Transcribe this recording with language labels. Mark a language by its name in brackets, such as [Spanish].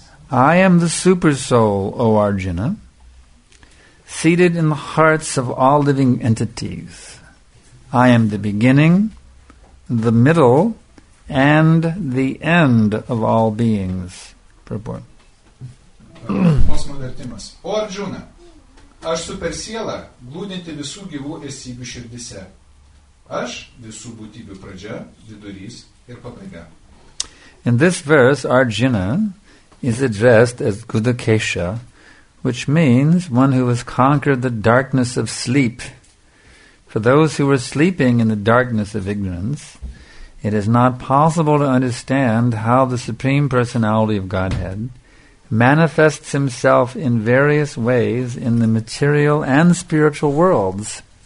[English] I am the super soul, O Arjuna, seated in the hearts of all living entities. I am the beginning, the middle, and the end of all beings. Purport. [Lithuanian] Posmo vertimas. O Arjuna, aš super siela, glūdinti visų gyvų esybių širdise. Aš visų būtybių pradžia, vidurys ir pabaiga. [English] In this verse, Arjuna is addressed as Gudakesha, which means one who has conquered the darkness of sleep. For those who are sleeping in the darkness of ignorance, it is not possible to understand how the Supreme Personality of Godhead manifests himself in various ways in the material and spiritual worlds.